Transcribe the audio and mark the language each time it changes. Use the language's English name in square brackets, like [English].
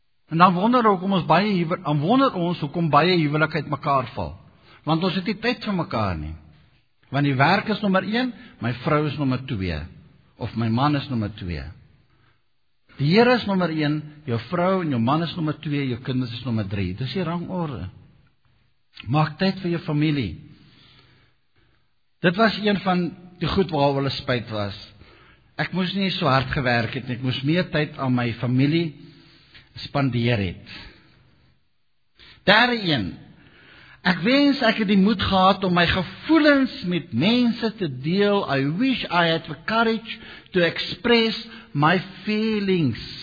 [Afrikaans] En dan wonder ook om ons baie huwelik, dan wonder ons hoekom baie huwelik uit mekaar val, want ons het nie tyd vir mekaar nie. Want die werk is nommer 1, my vrou is nommer 2, of my man is nommer 2. Die Here is nommer 1, jou vrou en jou man is nommer 2, jou kinders is nommer 3. Dis die rangorde. Maak tyd vir jou familie. Dit was een van die goed waar hulle spyt was. Ek moes nie so hard gewerk het, ek moes meer tyd aan my familie spandeer het. Derde een, ek wens ek het die moed gehad om my gevoelens met mense te deel. [English] I wish I had the courage to express my feelings.